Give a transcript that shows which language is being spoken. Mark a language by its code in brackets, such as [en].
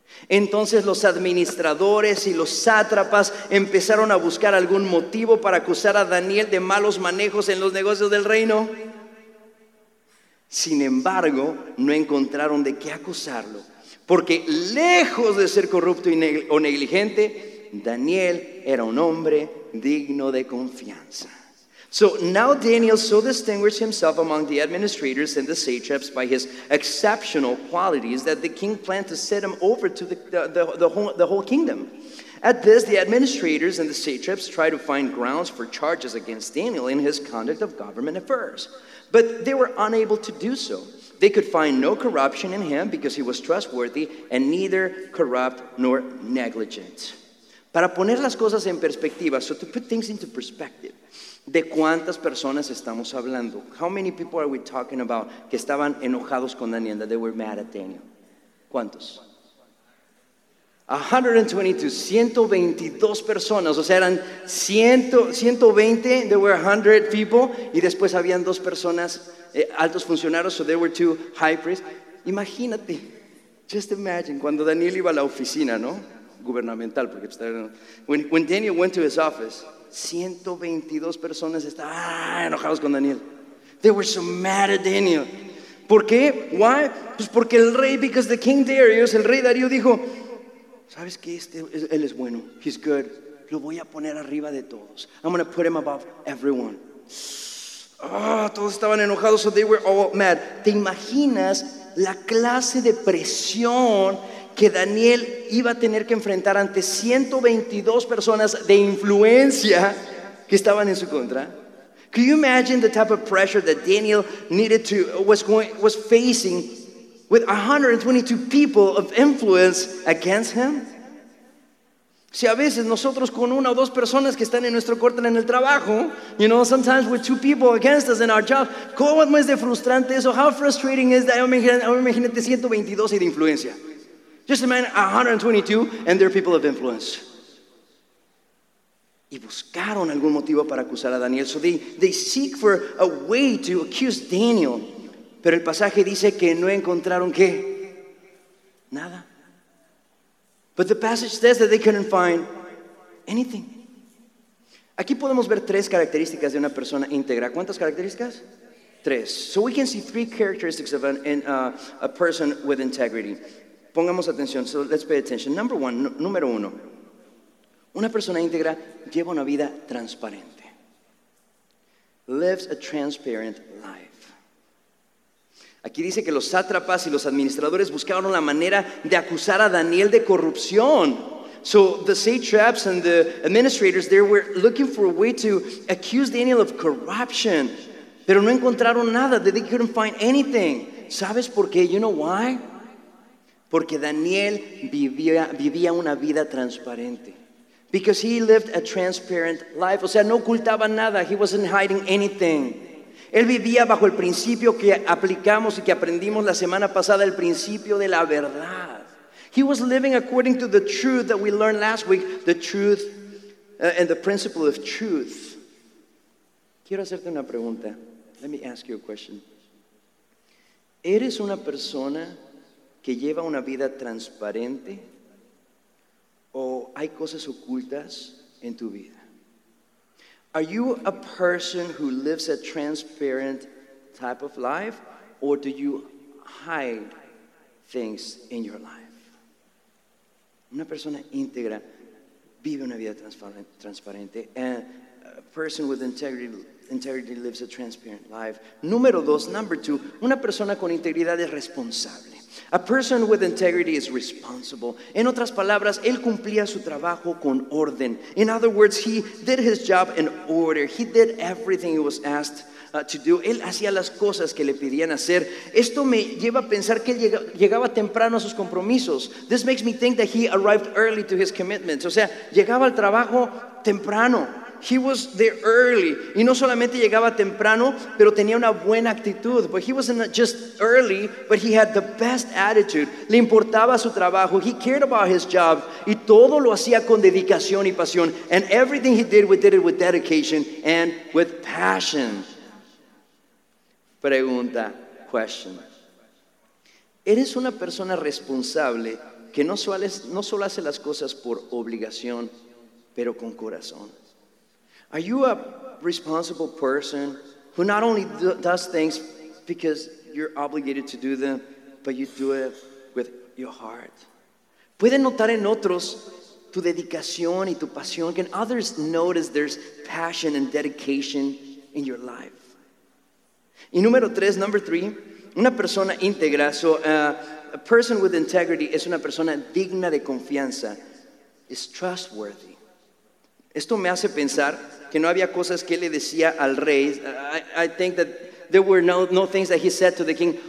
[es] Entonces los administradores y los sátrapas empezaron a buscar algún motivo para acusar a Daniel de malos manejos en los negocios del reino. Sin embargo, no encontraron de qué acusarlo, porque lejos de ser corrupto o negligente, Daniel era un hombre digno de confianza. [en] So now Daniel so distinguished himself among the administrators and the satraps by his exceptional qualities that the king planned to set him over to the whole kingdom. At this, the administrators and the satraps tried to find grounds for charges against Daniel in his conduct of government affairs. But they were unable to do so. They could find no corruption in him because he was trustworthy and neither corrupt nor negligent. [es] Para poner las cosas en perspectiva, [en] so to put things into perspective, [es] ¿de cuántas personas estamos hablando? [en] How many people are we talking about [es] que estaban enojados con Daniel, [en] that they were mad at Daniel? [es] ¿Cuántos? 122 personas, o sea, eran 120, [en] there were 100 people, [es] y después habían dos personas, altos funcionarios, [en] so there were two high priests. [es] Imagínate, [en] just imagine, [es] cuando Daniel iba a la oficina, ¿no? Gubernamental, porque [en] when Daniel went to his office, [es] 122 personas estaban enojados con Daniel. [en] They were so mad at Daniel. [es] ¿Por qué? [en] Why? [es] Pues porque el rey, [en] because the king Darius, [es] el rey Darío dijo, ¿sabes qué? Él es bueno. [en] He's good. [es] Lo voy a poner arriba de todos. [en] I'm going to put him above everyone. Oh, todos estaban enojados, so they were all mad. [es] ¿Te imaginas la clase de presión que Daniel iba a tener que enfrentar ante 122 personas de influencia que estaban en su contra? [en] Can you imagine the type of pressure that Daniel needed to was facing with 122 people of influence against him? [es] Si a veces nosotros con una o dos personas que están en nuestro corte en el trabajo, [en] you know, sometimes with two people against us in our job, [es] ¿cómo es de frustrante eso? [en] How frustrating is that? [es] Imagínate 122 y de influencia. [en] Just imagine 122 and they're people of influence. [es] Y buscaron algún motivo para acusar a Daniel. [en] So they seek for a way to accuse Daniel. [es] Pero el pasaje dice que no encontraron ¿qué? Nada. [en] But the passage says that they couldn't find anything. [es] Aquí podemos ver tres características de una persona íntegra. ¿Cuántas características? Tres. [en] So we can see three characteristics of a person with integrity. [es] Pongamos atención. [en] So let's pay attention. Number one, [es] número uno. Una persona íntegra lleva una vida transparente. [en] Lives a transparent life. [es] Aquí dice que los sátrapas y los administradores buscaron la manera de acusar a Daniel de corrupción. [en] So the satraps and the administrators, they were looking for a way to accuse Daniel of corruption. [es] Pero no encontraron nada. [en] They couldn't find anything. [es] ¿Sabes por qué? [en] You know why? [es] Porque Daniel vivía una vida transparente. [en] Because he lived a transparent life. [es] O sea, no ocultaba nada. [en] He wasn't hiding anything. [es] Él vivía bajo el principio que aplicamos y que aprendimos la semana pasada, el principio de la verdad. [en] He was living according to the truth that we learned last week, the truth and the principle of truth. [es] Quiero hacerte una pregunta. [en] Let me ask you a question. [es] ¿Eres una persona que lleva una vida transparente? ¿O hay cosas ocultas en tu vida? [en] Are you a person who lives a transparent type of life, or do you hide things in your life? [es] Una persona íntegra vive una vida transparente. [en] And a person with integrity lives a transparent life. [es] Número dos, [en] number two, [es] una persona con integridad es responsable. [en] A person with integrity is responsible. [es] En otras palabras, él cumplía su trabajo con orden. [en] In other words, he did his job in order. He did everything he was asked to do. [es] Él hacía las cosas que le pedían hacer. Esto me lleva a pensar que él llegaba temprano a sus compromisos. [en] This makes me think that he arrived early to his commitments. [es] O sea, llegaba al trabajo temprano. [en] He was there early. [es] Y no solamente llegaba temprano, pero tenía una buena actitud. [en] But he wasn't just early, but he had the best attitude. [es] Le importaba su trabajo. [en] He cared about his job. [es] Y todo lo hacía con dedicación y pasión. [en] And everything he did it with dedication and with passion. [es] Pregunta, [en] question. [es] ¿Eres una persona responsable que no solo hace las cosas por obligación, pero con corazón? [en] Are you a responsible person who not only does things because you're obligated to do them, but you do it with your heart? [es] ¿Pueden notar en otros tu dedicación y tu pasión? [en] Can others notice there's passion and dedication in your life? [es] Y número tres, [en] number three, [es] una persona íntegra, [en] so a person with integrity [es] es una persona digna de confianza, [en] is trustworthy. [es] Esto me hace pensar que no había cosas que le decía al rey. [en] I think that there were no things that he said to the king.